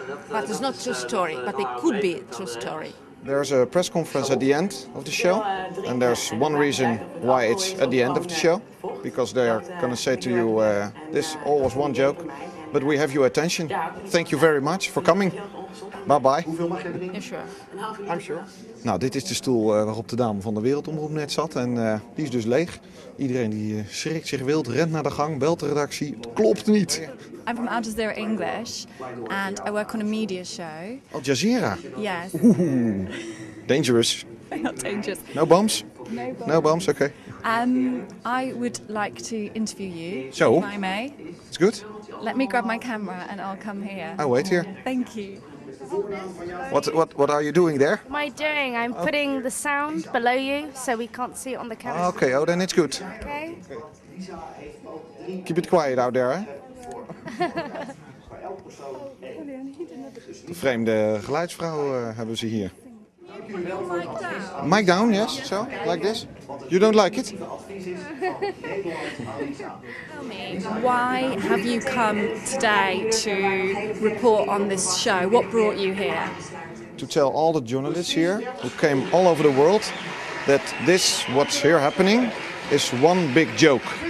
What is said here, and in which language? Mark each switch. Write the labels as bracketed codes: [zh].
[en] But it's not a true story, but it could be a true story. There's a press conference at the end of the show, and there's one reason why it's at the end of the show, because they are going to say to you, this all was one joke, but we have your attention. Thank you very much for coming. Bye bye. [nl] Hoeveel mag jij erin? [en] Sure. I'm sure. [nl] Nou, dit is de stoel waarop de dame van de Wereldomroep net zat. En die is dus leeg. Iedereen die schrikt zich wild, rent naar de gang, belt de redactie. Het klopt niet. [en] I'm from Al Jazeera English. And I work on a media show. Al Jazeera? Yes. Oeh, dangerous. Not dangerous. No bombs? No bombs. No bombs, okay. I would like to interview you. So? If I may. It's good. Let me grab my camera and I'll come here. I'll wait here. Thank you. What are you doing there? What am I doing? I'm putting the sound below you so we can't see it on the camera. Okay, oh then it's good. Okay. Keep it quiet out there, eh? [nl] De vreemde geluidsvrouw hebben ze hier. [en] Mic down, yes, so, like this. You don't like it? Tell me, why have you come today to report on this show? What brought you here? To tell all the journalists here, who came all over the world, that this, what's here happening, is one big joke.